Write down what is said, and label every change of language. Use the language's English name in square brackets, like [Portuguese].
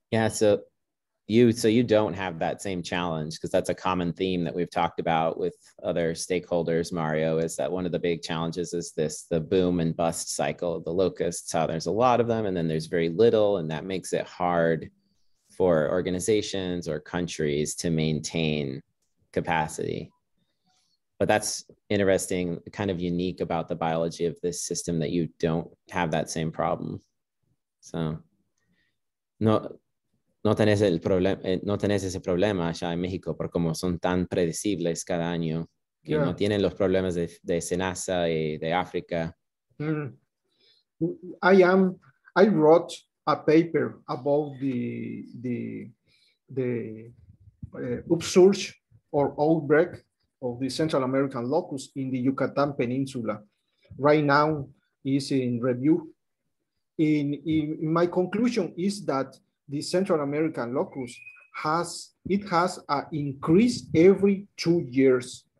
[English] So you don't have that same challenge, because that's a common theme that we've talked about with other stakeholders, Mario, is that one of the big challenges is this, the boom and bust cycle of the locusts, how there's a lot of them and then there's very little, and that makes it hard for organizations or countries to maintain capacity. But that's interesting, kind of unique about the biology of this system, that you don't have that same problem. [Spanish] So, no tenés ese problema allá en México, por como son tan predecibles cada año, que no tienen los problemas de Senasa y de África. [English] I wrote a paper about the upsurge or outbreak of the Central American locust in the Yucatán Peninsula. Right now is in review. In my conclusion is that the Central American locust has an increase every 2 years.